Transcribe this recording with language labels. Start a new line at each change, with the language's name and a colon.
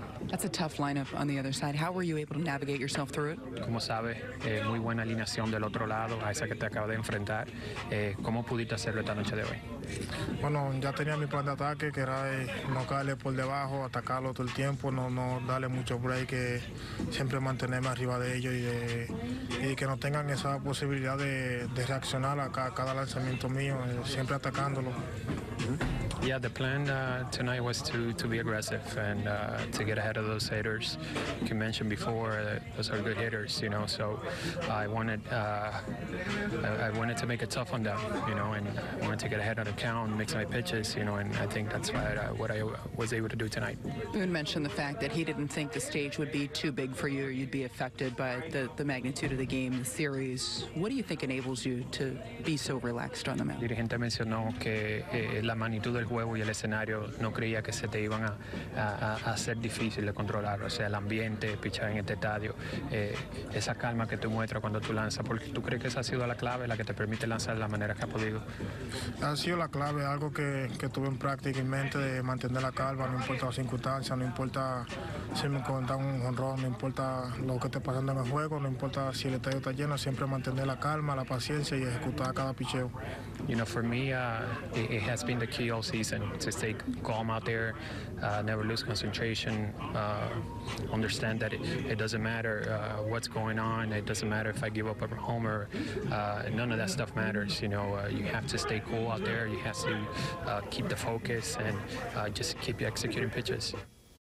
English: That's a tough lineup on the other side. How were you able to navigate yourself through it?
Spanish: Como sabes, muy buena alineación del otro lado, a esa que te acabo de enfrentar. ¿Cómo pudiste hacerlo esta noche de hoy? Bueno, ya tenía mi plan de ataque, que era no caerle por debajo, atacarlo todo el tiempo, no darle mucho break, siempre mantenerme arriba de ellos y que no tengan esa posibilidad de reaccionar a cada lanzamiento mío, siempre atacándolo.
English: Yeah, the plan tonight was to be aggressive and to get ahead of those hitters. Like you mentioned before, those are good hitters, you know. So I wanted to make it tough on them, you know, and I wanted to get ahead of the count, mix my pitches, you know, and I think that's what I was able to do tonight. Boone mentioned the fact that he didn't think the stage would be too big for you, or you'd be affected by the magnitude of the game, the series. What do you think enables you to be so relaxed on the mound?
Spanish: Dirigente mencionó que la magnitud del juego y el escenario no creía que se te iban a ser difícil de controlar, o sea, el ambiente, pichar en este estadio, esa calma que tú muestras cuando tú lanzas, porque tú crees que esa ha sido la clave, la que te permite lanzar de la manera que ha podido. Ha sido la clave, algo que tuve en práctica en mente, de mantener la calma, no importa las circunstancias, no importa si me encuentran un jonrón, no importa lo que esté pasando en el juego, no importa si el estadio está lleno, siempre mantener la calma, la paciencia y ejecutar cada picheo.
English: You know, for me, it has been the key all season to stay calm out there, never lose concentration, understand that it doesn't matter what's going on, it doesn't matter if I give up a homer, none of that stuff matters. You know, you have to stay cool out there, you have to keep the focus and just keep executing pitches.